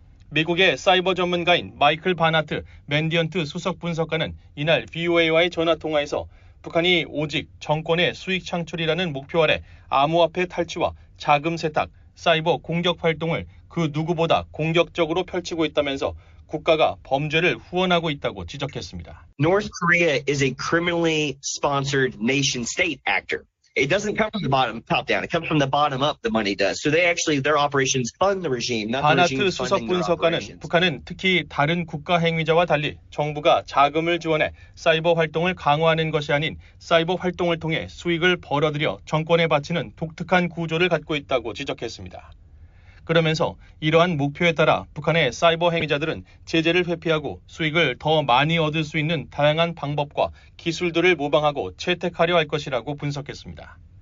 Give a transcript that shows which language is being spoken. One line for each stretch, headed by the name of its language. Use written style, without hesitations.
Korean: 미국의 사이버 전문가인 마이클 바나트 맨디언트 수석 분석가는 이날 VOA와의 전화 통화에서 북한이 오직 정권의 수익 창출이라는 목표 아래 암호화폐 탈취와 자금 세탁, 사이버 공격 활동을 그 누구보다 공격적으로 펼치고 있다면서 국가가 범죄를 후원하고 있다고 지적했습니다.
English: North Korea is a criminally sponsored nation state actor. It doesn't come from the bottom top down. It comes from the bottom up. The money does. So they actually their operations fund the regime.
Korean: 바나트 수석 분석가는 북한은 특히 다른 국가 행위자와 달리 정부가 자금을 지원해 사이버 활동을 강화하는 것이 아닌 사이버 활동을 통해 수익을 벌어들여 정권에 바치는 독특한 구조를 갖고 있다고 지적했습니다. 그러면서 이러한 목표에 따라 북한의 사이버 행위자들은 제재를 회피하고 수익을 더 많이 얻을 수 있는 다양한 방법과 기술들을 모방하고 채택하려 할 것이라고 분석했습니다.